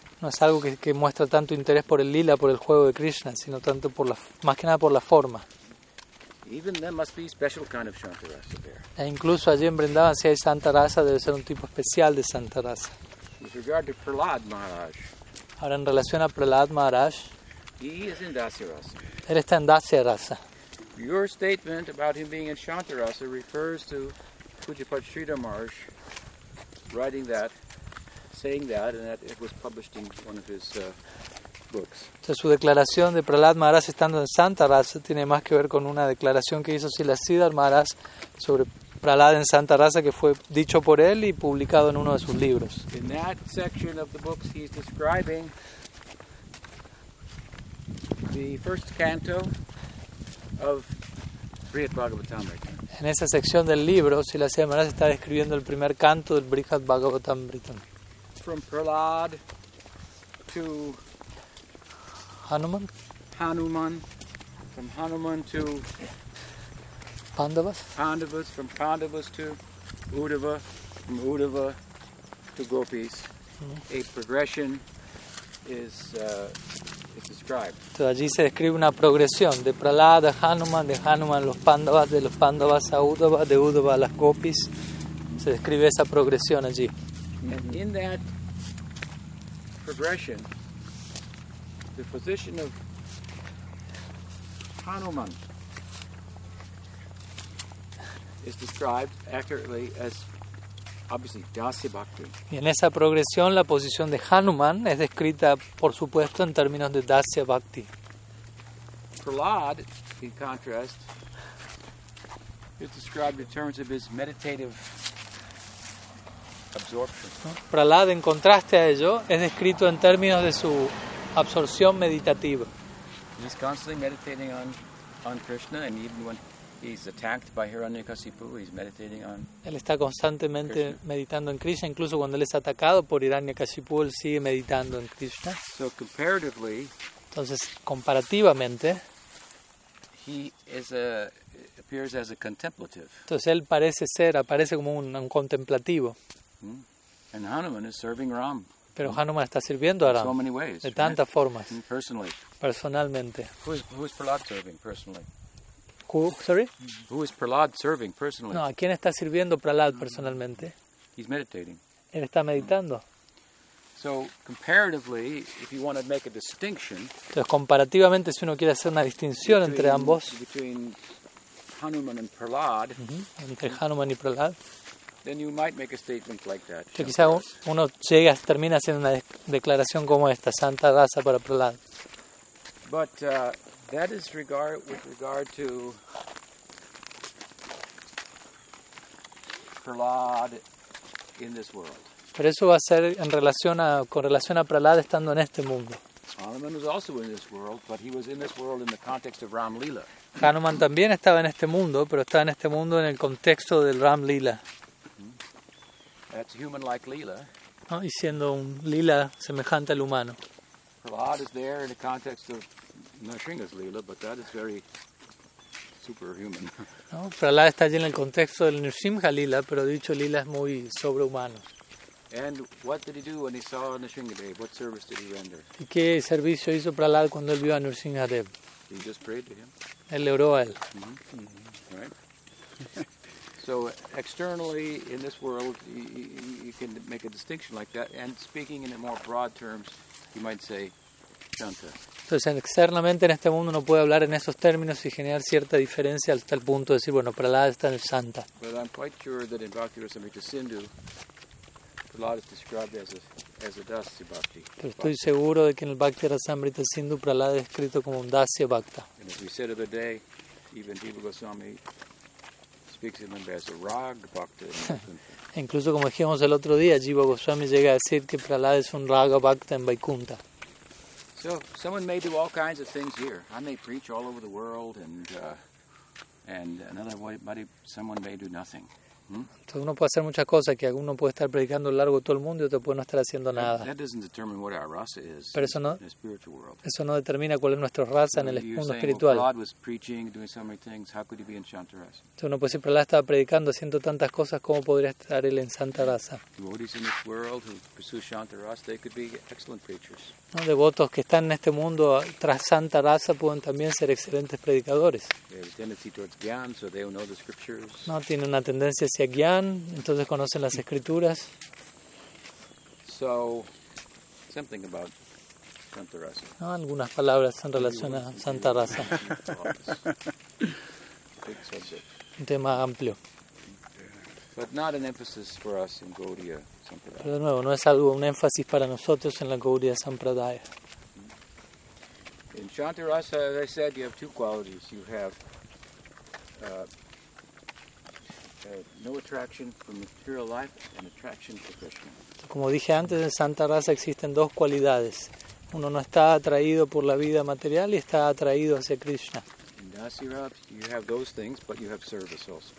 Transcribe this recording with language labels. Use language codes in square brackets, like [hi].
[es] No es algo que muestra tanto interés por el lila, por el juego de Krishna, sino tanto por la, más que nada por la forma. [en] Even there must be special kind of Santa-rasa there. [es] E incluso allí en Vrindavan, si hay Santa-rasa, debe ser un tipo especial de Santa-rasa. [en] With regard to Prahlad Maharaj. [es] Ahora en relación a Prahlad Maharaj. [en] He is in Dasyarasa. [es] Él está en Dasyarasa. [en] Your statement about him being in Santa-rasa refers to Pujapati Sridharmarsh writing that, saying that, and that it was published in one of his books. [es] Entonces, su declaración de Prahlad Maharaj estando en Santa-rasa tiene más que ver con una declaración que hizo Sila Siddhar Maharaj sobre Prahlad en Santa-rasa que fue dicho por él y publicado en uno de sus libros. [en] In that section of the books he's describing the first canto of Brihat Bhagavatamrita. [es] En esa sección del libro, Sila Siddhar Maharaj está describiendo el primer canto del Brihat Bhagavatamrita. [en] From Prahlad to Hanuman. Hanuman. From Hanuman to Pandavas. Pandavas. From Pandavas to Uddhava. From Uddhava to Gopis. Mm-hmm. A progression is described. [es] So, allí se describe una progresión de Prahlad a Hanuman, de Hanuman a los Pandavas, de los Pandavas a Uddhava, de Uddhava a las Gopis. Se describe esa progresión allí. Mm-hmm. [en] And in that progression, the position of Hanuman is described accurately as obviously Dasya Bhakti. [es] Y en esa progresión la posición de Hanuman es descrita por supuesto en términos de Dasya Bhakti. [en] Prahlad, in contrast, is described in terms of his meditative absorption. [es] Prahlad, en contraste a ello, es descrito en términos de su absorción meditativa. [en] He's constantly meditating on Krishna, and even when he's attacked by Hiranyakasipu, he's meditating on. [es] Él está constantemente Krishna. Meditando en Krishna, incluso cuando él es atacado por Hiranyakasipu, él sigue meditando en Krishna. [en] So comparatively, [es] entonces comparativamente, [en] he is a appears as a contemplative. [es] Entonces él parece ser, aparece como un contemplativo. Mm. [en] And Hanuman is serving Ram. [es] Pero Hanuman está sirviendo a Ram [en] so many ways, [es] de tantas [en] right? [es] formas, [en] personally. [es] Personalmente. [en] Who is Prahlad serving personally? Who is Prahlad serving personally? [es] No, ¿a quién está sirviendo Prahlad personalmente? [en] He's meditating. [es] Él está meditando. [en] So comparatively, if you want to make a distinction, [es] entonces comparativamente si uno quiere hacer una distinción [en] between, [es] entre ambos, [en] between Hanuman and Prahlad, [es] entre Hanuman y Prahlad. [en] Then you might make a statement like that. [es] Que quizá uno llega, termina haciendo una declaración como esta, Santa Rasa para Prahlad. [en] But that is with regard to Prahlad in this world. [es] Pero eso va a ser en relación a con relación a Prahlad estando en este mundo. [en] Hanuman was also in this world, but he was in this world in the context of Ram Lila. [es] Hanuman también estaba en este mundo, pero estaba en este mundo en el contexto del Ram Lila. [en] That's human-like Leela. [es] Oh, y siendo un Leela semejante al humano. [en] Prahlad is there in the context of Narsingha's Leela, but that is very superhuman. [es] No, Prahlad está allí en el contexto del Narsingha Leela, pero dicho Leela es muy sobrehumano. [en] And what did he do when he saw Narsingha Dev? What service did he render? [es] ¿Y qué servicio hizo Prahlad cuando él vio a Narsingha Dev? [en] He just prayed to him. [es] Él le oró a él. [en] So externally in this world you can make a distinction like that, and speaking in a more broad terms you might say shanta. [es] Entonces externamente en este mundo uno puede hablar en esos términos y generar cierta diferencia hasta el punto de decir bueno, Prahlad está en el santa. [en] But I'm quite sure that in Bhakti Rasamrita Sindhu Prahlad is described as a Dasya Bhakti. [es] Pero estoy seguro de que en el Bhakti Rasamrita Sindhu Prahlad es escrito como un Dasya Bhakta. [en] And as we said the other day, even Jiva Goswami speaks him as a rag bhakta. [es] Incluso como dijimos el otro día, Jiva Goswami llega a decir que Prahlad es un raga bhakta en Vaikunta. [en] So someone may do all kinds of things here. I may preach all over the world, and another way, buddy, someone may do nothing. [es] Entonces uno puede hacer muchas cosas, que alguno puede estar predicando a lo largo de todo el mundo y otro puede no estar haciendo nada. [en] That doesn't determine what our rasa is. [es] Pero eso no determina cuál es nuestra raza en el mundo [en] saying, [es] espiritual. [en] Well, Prahlad was preaching, doing so many things. How could he be in Santa-rasa? [es] Entonces uno puede decir, Prahlad estaba predicando, haciendo tantas cosas, ¿cómo podría estar él en Santa-rasa? [en] Devotees in this world who pursue Santa-rasa, they could be excellent preachers. [es] ¿No? Devotos que están en este mundo tras Santa-rasa pueden también ser excelentes predicadores. [en] They have a tendency towards Gyan, so they will know the scriptures. [es] No, tienen una tendencia hacia Gyan, entonces conocen las escrituras. [en] So, something about Santa-rasa. [es] No, algunas palabras en relación a Santa-rasa. [en] Big subject. [es] Un tema amplio. [en] But not an emphasis for us in Gaudiya Sampradaya. [es] Pero de nuevo, no es algo, un énfasis para nosotros en la Gaudiya Sampradaya. [en] In Santa-rasa, as I said, you have two qualities. You have no attraction for material life and attraction for Krishna. [es] Como dije antes, en Santa-rasa existen dos cualidades. Uno no está atraído por la vida material y está atraído hacia Krishna. [en] You have those things, but you have service also.